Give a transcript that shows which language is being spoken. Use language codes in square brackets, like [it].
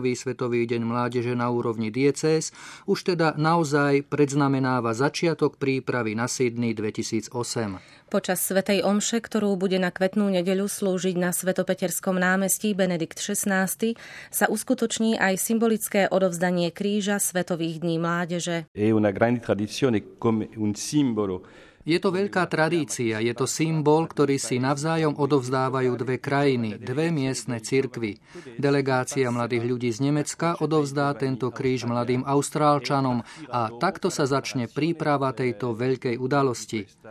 [sk] Svetový deň mládeže na úrovni diecéz, už teda naozaj predznamenáva začiatok prípravy na Sydney 2008. Počas svätej omše, ktorú bude na kvetnú nedeľu slúžiť na Svetopeterskom námestí Benedikt XVI, sa uskutoční aj symbolické odovzdanie kríža Svetových dní mládeže. [it] Je una grande tradizione come un simbolo. [sk] Je to veľká tradícia, je to symbol, ktorý si navzájom odovzdávajú dve krajiny, dve miestne cirkvy. Delegácia mladých ľudí z Nemecka odovzdá tento kríž mladým Austrálčanom a takto sa začne príprava tejto veľkej udalosti.